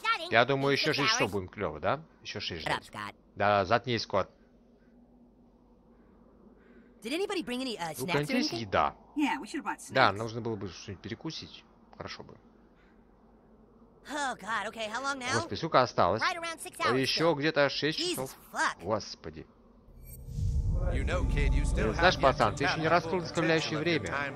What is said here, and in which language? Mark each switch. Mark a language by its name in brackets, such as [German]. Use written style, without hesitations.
[Russian] Я думаю, еще 6 часов будем клево, да? Еще 6 ждать. Да, заткнись, Скотт. [English] Did anybody bring any, snacks? [Russian] У кого-нибудь есть еда? [English] Yeah, we should have bought snacks. [Russian] Да, нужно было бы что-нибудь перекусить. Хорошо бы. [English] Oh, God, okay, how long now? [Russian] Господи, сколько осталось? [English] Right around 6 hours. [Russian] Еще где-то 6 часов. [English] Fuck. [Russian] Господи. [English] You know, kid, you still [Russian] знаешь, пацан, ты еще не раскрыл доставляющее время.